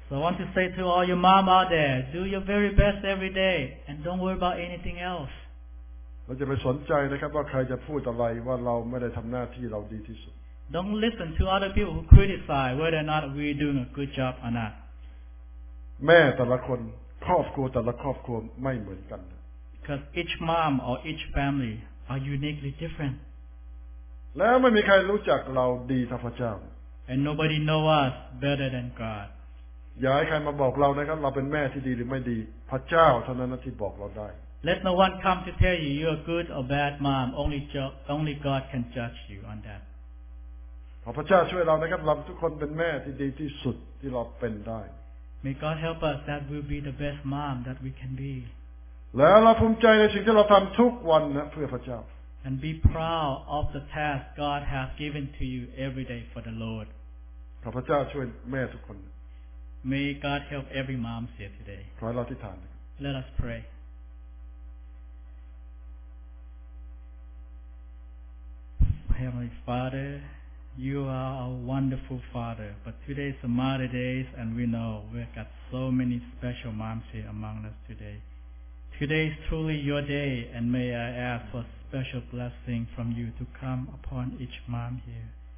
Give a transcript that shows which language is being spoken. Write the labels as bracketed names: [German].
[English] So I want to say to all your mom out there, do your very best every day and don't worry about anything else. [Thai] เราจะไปสนใจนะครับว่าใครจะพูดอะไรว่าเราไม่ได้ทำหน้าที่เราดีที่สุด [English] Don't listen to other people who criticize whether or not we're doing a good job or not. [Thai] แม่แต่ละคนครอบครัวแต่ละครอบครัวไม่เหมือนกัน [English] Because each mom or each family are uniquely different. [Thai] แล้วไม่มีใครรู้จักเราดีเท่าพระเจ้า [English] And nobody know us better than God. [Thai] อย่าให้ใครมาบอกเรานะครับเราเป็นแม่ที่ดีหรือไม่ดีพระเจ้าเท่านั้นที่บอกเราได้ [English] Let no one come to tell you you're a good or bad mom. Only God can judge you on that. [Thai] ขอพระเจ้าช่วยเรานะครับเราทุกคนเป็นแม่ที่ดีที่สุดที่เราเป็นได้ [English] May God help us that we'll be the best mom that we can be. [Thai] แล้วเราภูมิใจในสิ่งที่เราทำทุกวันนะเพื่อพระเจ้า [English] And be proud of the task God has given to you every day for the Lord [Thai] ขอพระเจ้าช่วยแม่ทุกคน [English] May God help every mom here today [Thai] ขอให้เราอธิษฐาน [English] Let us pray Heavenly Father You are a wonderful Father but today is Mother's Day and we know we've got so many special moms here among us todayToday is truly your day, and may I ask for special blessing from you to come upon each mom here.